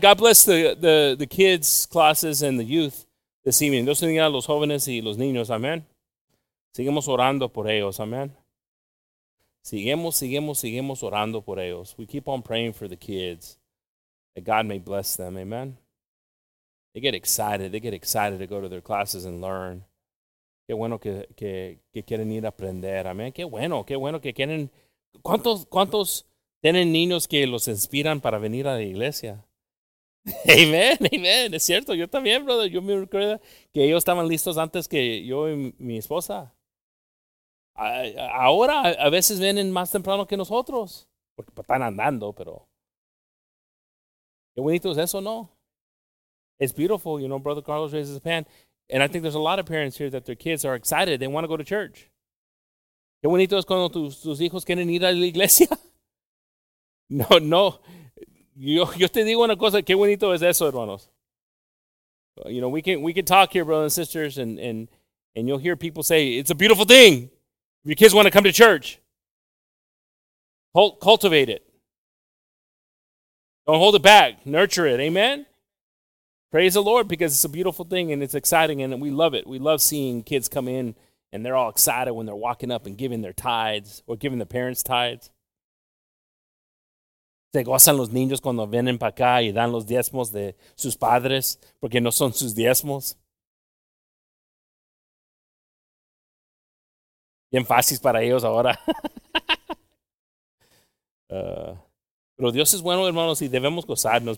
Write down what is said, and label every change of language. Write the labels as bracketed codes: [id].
[en] God bless the kids' classes and the youth this evening. [es] Dios bendiga a los jóvenes y los niños, amen. Seguimos orando por ellos, amen. Seguimos orando por ellos. [en] We keep on praying for the kids, that God may bless them, amen. They get excited to go to their classes and learn. [es] Qué bueno que quieren ir a aprender, amen. Qué bueno que quieren. ¿Cuántos tienen niños que los inspiran para venir a la iglesia? Amen. Es cierto, yo también, [en] brother. [es] Yo me recuerdo que ellos estaban listos antes que yo y mi esposa. Ahora a veces vienen más temprano que nosotros, porque están andando, pero qué bonito es eso, ¿no? [en] It's beautiful, you know, Brother Carlos raises his hand. And I think there's a lot of parents here that their kids are excited. They want to go to church. [es] Qué bonito es cuando tus hijos quieren ir a la iglesia. No. Yo te digo una cosa. Qué bonito es eso, hermanos. [en] You know, we can talk here, brothers and sisters, and you'll hear people say, it's a beautiful thing. Your kids want to come to church. Cultivate it. Don't hold it back. Nurture it. Amen. Praise the Lord, because it's a beautiful thing and it's exciting and we love it. We love seeing kids come in and they're all excited when they're walking up and giving their tithes or giving the parents tithes. [es] Se gozan los niños cuando vienen para acá y dan los diezmos de sus padres porque no son sus diezmos. Bien fácil para ellos ahora. Pero Dios es bueno, hermanos, y debemos gozarnos.